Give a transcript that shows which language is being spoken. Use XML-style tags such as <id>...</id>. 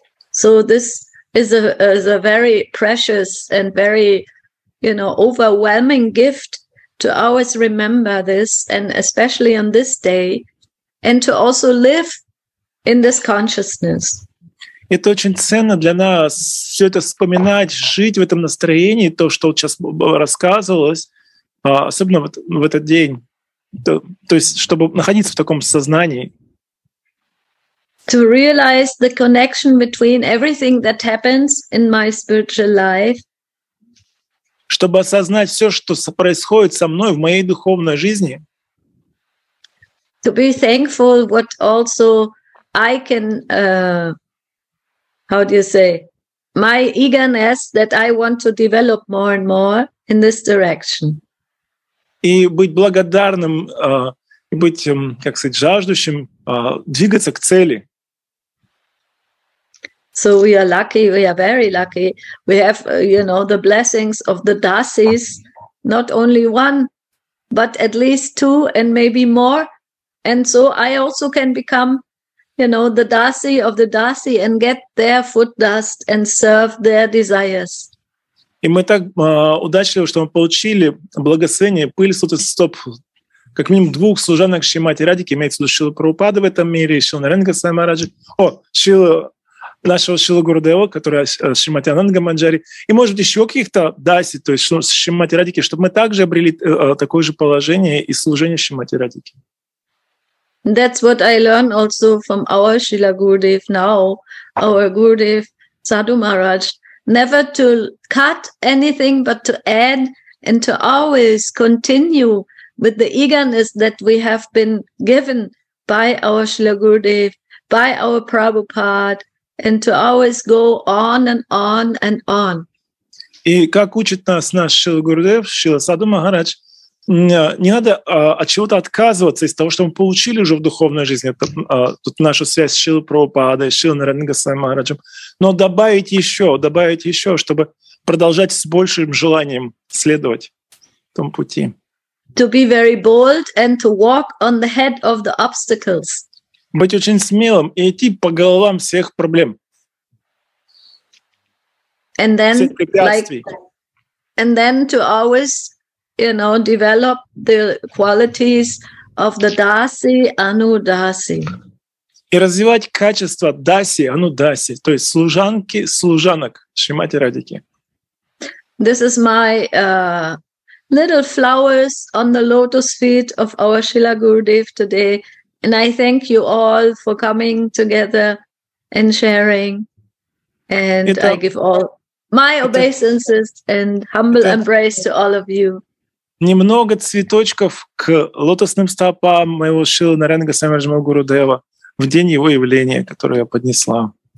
<en>So this is a very precious and very, you know, overwhelming gift to always remember this, and especially on this day, and to also live in this consciousness.</en> <ru>Это очень ценно для нас, все это вспоминать, жить в этом настроении, то, что сейчас рассказывалось, особенно вот в этот день, то есть чтобы находиться в таком сознании.</ru> <en>To realize the connection between everything that happens in my spiritual life.</en> <ru>Чтобы осознать все, что происходит со мной в моей духовной жизни.</ru> <en>To be thankful what also I can how do you say, my eagerness that I want to develop more and more in this direction.</en> <ru>И быть благодарным, быть, как сказать, жаждущим, двигаться к цели.</ru> <en>So we are lucky, we are very lucky. We have, you know, the blessings of the Dasis, not only one, but at least two and maybe more. And so I also can become, you know, the Dasi of the Dasi and get their foot dust and serve their desires.</en> <ru>И мы так удачливы, что мы получили благословение, пыль сотых стоп, как минимум двух служанок Шримати Радхики, имеется в виду Шрила Прабхупады в этом мире, Шрила Нараян Госвами Махараджа, нашего Шрила Гурудева, который Шримати Ананда Манджари, и, может быть, еще каких-то Даси, то есть Шримати Радхики, чтобы мы также обрели такое же положение и служение Шримати Радхики.</ru> <en>That's what I learned also from our Srila Gurudev now, our Gurudev Sadhu Maharaj, never to cut anything but to add and to always continue with the eagerness that we have been given by our Srila Gurudev, by our Prabhupada, and to always go on and on and on.</en> <ru>И как учит нас наш Srila Gurudev, Srila Sadhu Maharaj, не надо от чего-то отказываться из того, что мы получили уже в духовной жизни, тут нашу связь с Шрилой Прабхупадой, с Шрилой Нараян Госвами Махараджем, но добавить еще, чтобы продолжать с большим желанием следовать тому пути.</ru> <en>To be very bold and to walk on the head of the obstacles.</en> <ru>Быть очень смелым и идти по головам всех проблем.</ru> <en>And then, and then to always, you know, develop the qualities of the Dasi, Anudasi.</en> <ru>И развивать качества Даси, Анудаси, то есть служанки, служанок Шримати Радхики.</ru> <en>This is my little flowers on the lotus feet of our Srila Gurudev today, and I thank you all for coming together and sharing, and</en> <ru>это,</ru> <en>I give all my obeisances and humble embrace to all of you.</en> <ru>Немного цветочков к лотосным стопам моего Шрилы Нараян Госвами Махараджа, моего Гурудева, в день его явления, которое я поднесла.</ru>